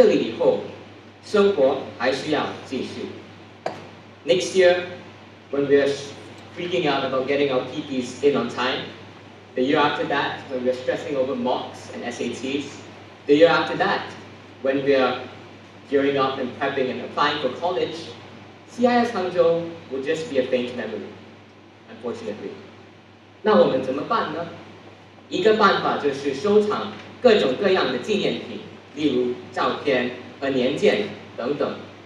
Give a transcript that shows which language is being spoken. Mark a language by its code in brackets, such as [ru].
[zh] 而是说，不管我们多么喜欢汉西杭州，我们离开这里以后，生活还是要继续。 [en] Next year, when we are freaking out about getting our PPs in on time, the year after that, when we are stressing over mocks and SATs, the year after that, when we are gearing up and prepping and applying for college, CIS Hangzhou will just be a faint memory, unfortunately. [zh] 那我们怎么办呢? 一个办法就是收藏各种各样的纪念品，例如照片和年鉴等等。